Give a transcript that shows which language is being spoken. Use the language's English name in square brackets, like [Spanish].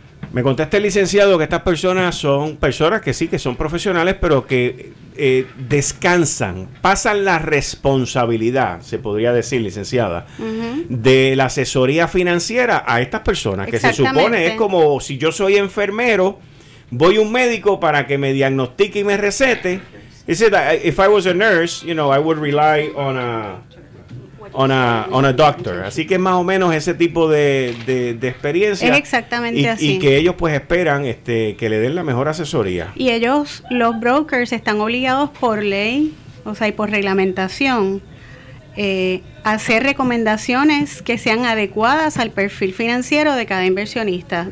[Spanish] Me contesta el licenciado que estas personas son personas que sí, que son profesionales, pero que descansan, pasan la responsabilidad, se podría decir, licenciada, uh-huh, de la asesoría financiera a estas personas, que se supone es como si yo soy enfermero, voy a un médico para que me diagnostique y me recete. [English] He said that if I was a nurse, you know, I would rely on a doctor. [Spanish] Así que más o menos ese tipo de experiencia. Es exactamente y, así. Y que ellos pues esperan que le den la mejor asesoría. Y ellos, los brokers, están obligados por ley, o sea, y por reglamentación, hacer recomendaciones que sean adecuadas al perfil financiero de cada inversionista.